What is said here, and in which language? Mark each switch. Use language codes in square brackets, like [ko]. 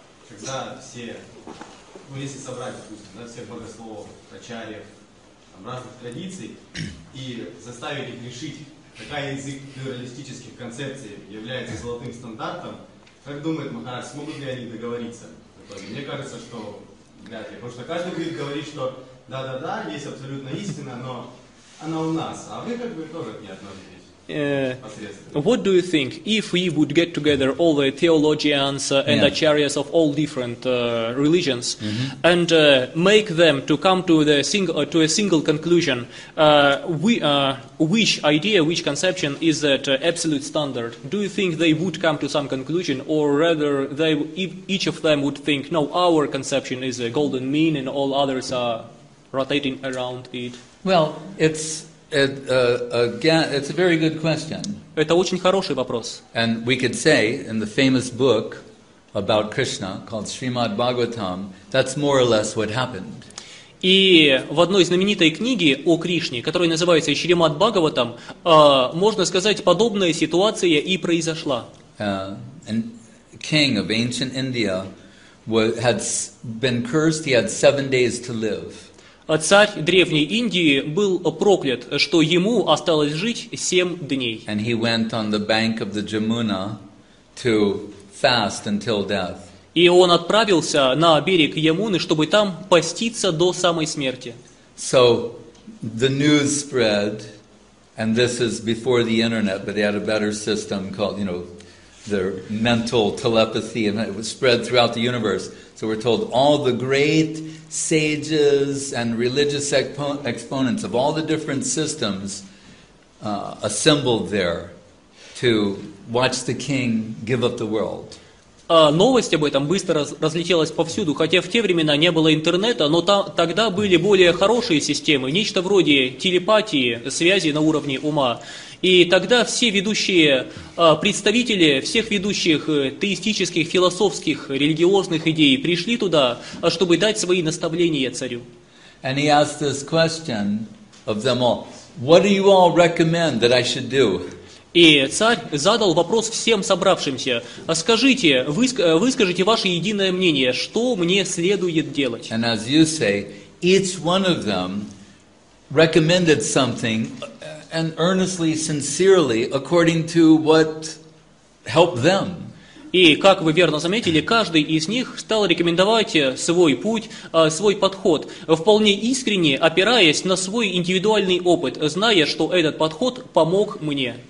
[ru] Когда все, ну если собрать, допустим, да, всех богословов, ачарьев, там, разных традиций и заставить их решить, какая из их плюралистических концепций является золотым стандартом, как думает Махарадж, смогут ли они договориться? Мне кажется, что вряд ли. Потому что каждый будет говорить, что да-да-да, есть абсолютно истина, но она у нас. А вы как бы тоже к ней относитесь. [en] What do you think if we would get together all the theologians and yeah. acharyas of all different religions mm-hmm. and make them to come to the single conclusion? Which idea, which conception is that absolute standard? Do you think they would come to some conclusion, or rather, each of them would think, no, our conception is a golden mean, and all others are rotating around it? Well, it's. Again, it's a very good question. [ru] Это очень хороший вопрос. [en] And we could say in the famous book about Krishna called Srimad Bhagavatam, that's more or less what happened. [ru] И в одной знаменитой книге о Кришне, которая называется Шримад Бхагаватам, можно сказать, подобная ситуация и произошла. [en] And king of ancient India had been cursed. He had 7 days to live. [ru] Царь Древней Индии был проклят, что ему осталось жить 7 дней. [en] And he went on the bank of the Jamuna to fast until death. [ru] И он отправился на берег Ямуны, чтобы там поститься до самой смерти. [en] So the news spread, and this is before the internet, but they had a better system called, you know, their mental telepathy, and it was spread throughout the universe. So we're told all the great sages and religious exponents of all the different systems assembled there to watch the king give up the world. [ru] Новость об этом быстро разлетелась повсюду, хотя в те времена не было интернета, но тогда были более хорошие системы, нечто вроде телепатии, связи на уровне ума. И тогда все ведущие представители всех ведущих теистических, философских, религиозных идей пришли туда, чтобы дать свои наставления царю. [en] And he asked this question of them all. What do you all recommend that I should do? [ru] И царь задал вопрос всем собравшимся. Скажите, выскажите ваше единое мнение, что мне следует делать? [en] And as you say, each one of them recommended something and earnestly, sincerely, according to what helped them. [ru] И, как вы верно заметили, каждый из них стал рекомендовать свой путь, свой подход, вполне искренне опираясь на свой индивидуальный опыт, зная, что этот подход помог мне.